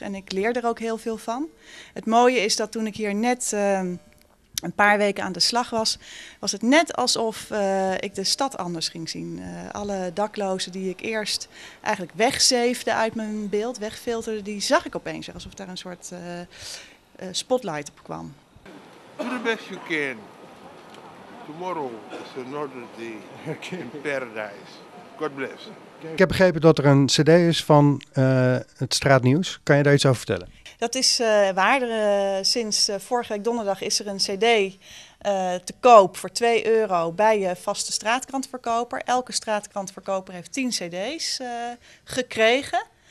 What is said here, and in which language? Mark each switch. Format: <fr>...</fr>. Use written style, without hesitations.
<nl>En ik leer er ook heel veel van. Het mooie is dat toen ik hier net een paar weken aan de slag was, was het net alsof ik de stad anders ging zien. Alle daklozen die ik eerst eigenlijk wegzeefde uit mijn beeld, wegfilterde, die zag ik opeens. Alsof daar een soort spotlight op kwam.</nl> <en>Do the best you can. Tomorrow is another day in paradise. God bless.</en> <nl>Ik heb begrepen dat er een cd is van het Straatnieuws. Kan je daar iets over vertellen? Dat is waar. Sinds vorige week donderdag is er een cd te koop voor 2 euro bij je vaste straatkrantverkoper. Elke straatkrantverkoper heeft 10 cd's gekregen.</nl>